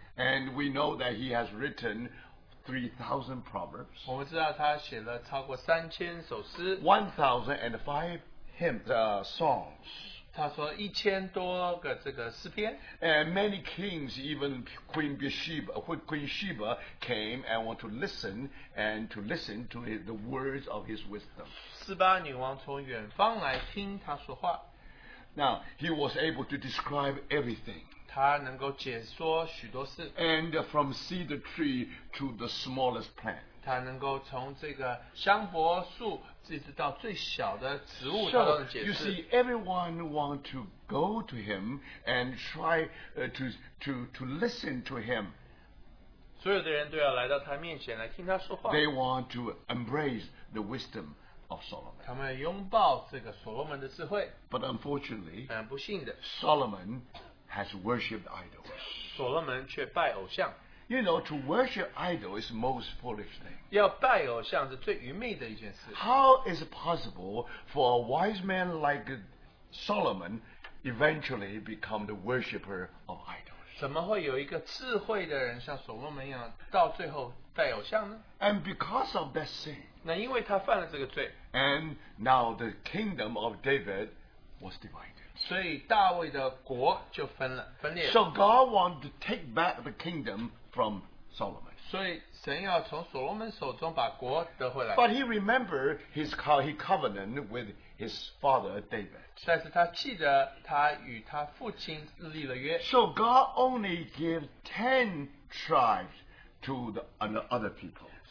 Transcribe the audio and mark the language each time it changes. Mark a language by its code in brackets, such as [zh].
[en] And we know that he has written 3,000 proverbs. [zh] 我们知道他写了超过3,000首诗。 [en] 1,005 hymns, songs. [zh] 他说1,000多个这个诗篇, [en] and many kings, even Queen Sheba came and want to listen to the words of his wisdom. [zh] 四八女王从远方来听他说话。 [en] Now he was able to describe everything. [zh] 他能够解说许多事。 [en] And from cedar tree to the smallest plant. [zh] 他能够从这个香柏树 [en] So, you see, everyone wants to go to him and try to listen to him. They want to embrace the wisdom of Solomon. But unfortunately, [zh] 不幸的, [en] Solomon has worshipped idols. [zh] 所罗门却拜偶像。 [en] You know, to worship idol is the most foolish thing. [zh] 要拜偶像是最愚昧的一件事。 [en] How is it possible for a wise man like Solomon eventually become the worshipper of idols? [zh] 怎么会有一个智慧的人像所罗门一样到最后拜偶像呢？ [en] And because of that sin, [zh] 那因为他犯了这个罪, [en] and now the kingdom of David was divided. [zh] 所以大卫的国就分了, [en] so God wanted to take back the kingdom from Solomon. [zh] 所以神要从所罗门手中把国得回来。 [en] But he remembered his covenant with his father David. [zh] 但是他记得他与他父亲立了约。 [en] So God only gave 10 tribes to the other people.